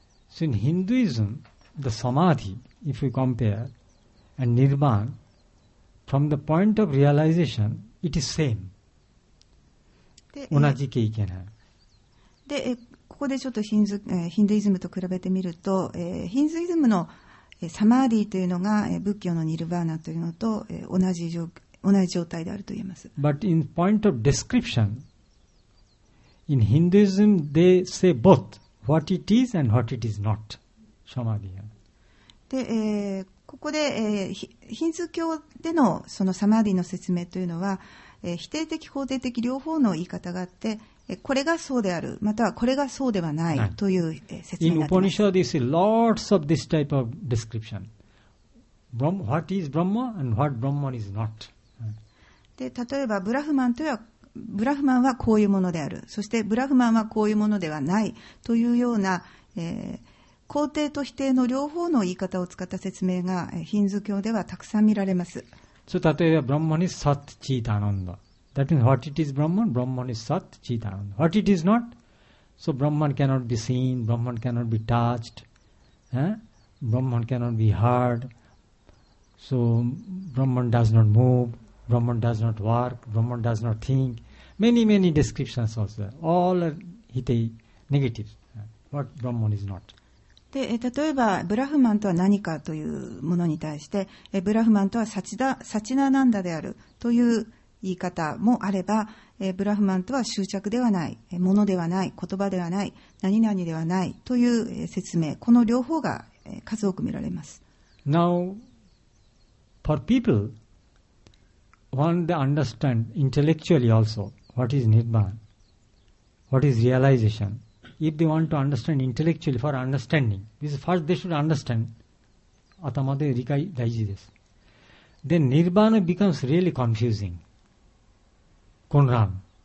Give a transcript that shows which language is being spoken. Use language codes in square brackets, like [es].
[en] So in Hinduism, the Samadhi, if we compare, and Nirvana, from the point of realization, it is same. [ja] 同じ経験は。でここでちょっとヒンドゥイズムと比べてみると、ヒンドゥイズムのサマーディというのが仏教のニルバーナというのと同じ状態であると言えます。 [en] But in point of description, in Hinduism they say both what it is and what it is not, samadhi. [ja] で、ここで、ヒンズー教でのそのサマーディの説明というのは、否定的肯定的両方の言い方があって、これがそうである、またはこれがそうではないという、説明になっています。 [en] In Upanishad you see lots of this type of description. What is Brahma and what Brahman is not. [ja] で、例えばブラフマンというのはブラフマンはこういうものである、そしてブラフマンはこういうものではないというような、肯定と否定の両方の言い方を使った説明が、ヒンズー教ではたくさん見られます。 [en] So, [ja] 例えば [en] ブラフマン is Sat Chit Ananda. That means what it is Brahman? Brahman is Sat Chit Ananda. What it is not? So Brahman cannot be seen, Brahman cannot be touched, Brahman cannot be heard. So Brahman does not move. Brahman does not work, Brahman does not think. Many, many descriptions also. All are hite, negative. What Brahman is not. [ja] で、例えば、ブラフマンとは何かというものに対して、ブラフマンとはサチナナンダであるという言い方もあれば、ブラフマンとは執着ではない、ものではない、言葉ではない、何々ではないという説明、この両方が数多く見られます。 [en] Now, for people,One they understand intellectually also what is Nirvana, what is realization. If they want to understand intellectually for understanding, this is first they should understand. [ja] Atamade rikai daiji desu. [en] Then Nirvana becomes really confusing. [ja] Konran.